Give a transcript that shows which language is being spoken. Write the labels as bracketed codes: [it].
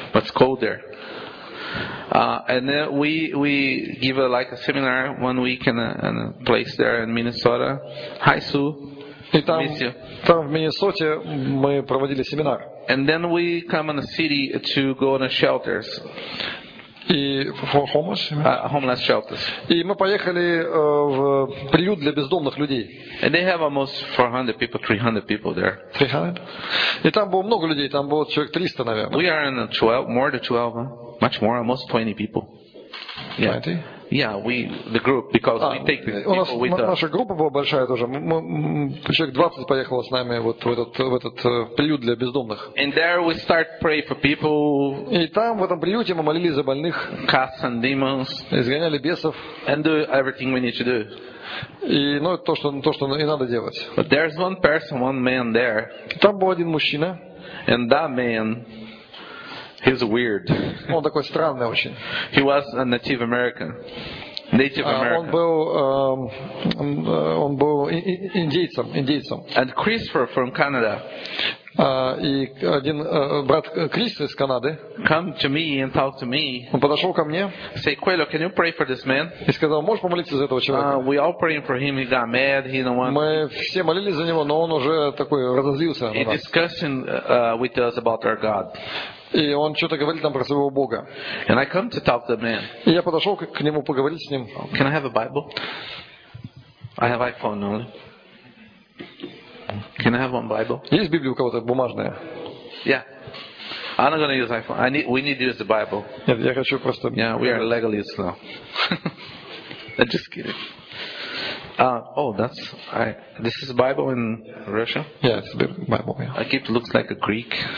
[en] But it's cold there. And then we give a seminar 1 week in a place there in Minnesota. Hi, Sue. [ru] И там, [en] miss you. [ru] Там, в Миннесоте, мы проводили семинар. [en] And then we come in a city to go in a shelters. [ru] И [en] for homeless, homeless shelters. [ru] И мы поехали в приют для бездомных людей. [en] And they have almost 400 people, 300 people there. 300? [ru] И там было много людей, там было человек 300, наверное. [en] We are in a 12, more than 12, much more, almost 20 people. Yeah. 20? Yeah, we the group because we take the people [ru] нас, [en] with us. [ru] Наша группа была большая тоже. Человек 20 поехало с нами вот в этот приют для бездомных. [en] And there we start pray for people. [ru] И там в этом приюте мы молились за больных. [en] Cast and demons. [ru] Изгоняли бесов. [en] And do everything we need to do. [ru] И то что и надо делать. [en] But there's one person, one man there. [ru] Там был один мужчина. [en] And that man. He's weird. [ru] Он такой странный очень. [en] He was a Native American. Native American. [ru] Он был индейцем. [en] And Christopher from Canada. [ru] И один брат Крис из Канады. [en] Come to me and talk to me. [ru] Он подошел ко мне. [en] Say, Quello, can you pray for this man? [ru] И сказал, можешь помолиться за этого человека? [en] We all praying for him. He got mad. He don't want. [ru] Мы все молились за него, но он уже такой разозлился. [en] He discussing with us about our God. [ru] И он что-то говорит нам про своего Бога. [en] And I come to talk to the man. [ru] И я подошел к нему поговорить с ним. [en] Can I have a Bible? I have iPhone only. Can I have one Bible? [ru] Есть Библия у кого-то бумажная? [en] Yeah. I'm not gonna use iPhone. We need to use the Bible. [ru] Нет, я хочу просто. [en] Yeah, we are legalists now. I'm just kidding. This is Bible in Russia? Yeah, it's Bible. Yeah. I keep looks like a Greek.